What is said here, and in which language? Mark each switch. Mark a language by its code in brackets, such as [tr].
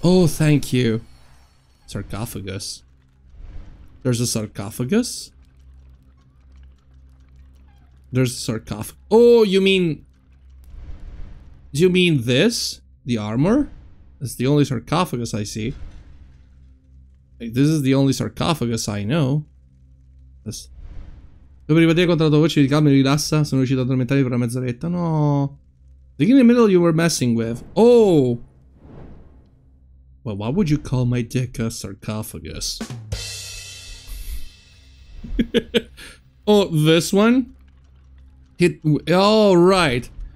[en] Oh, thank you. Sarcophagus. There's a sarcophagus? There's a sarcophagus. Oh, you mean... Do you mean this? The armor? It's the only sarcophagus I see. Like, this is the only sarcophagus I know. [it] Dopo ripetere contro la tua voce di calma e rilassa, sono riuscito a addormentare per una mezz'oretta. No... [en] The thing in the middle you were messing with. Oh! Well, why would you call my dick a sarcophagus? Oh, this one? Right.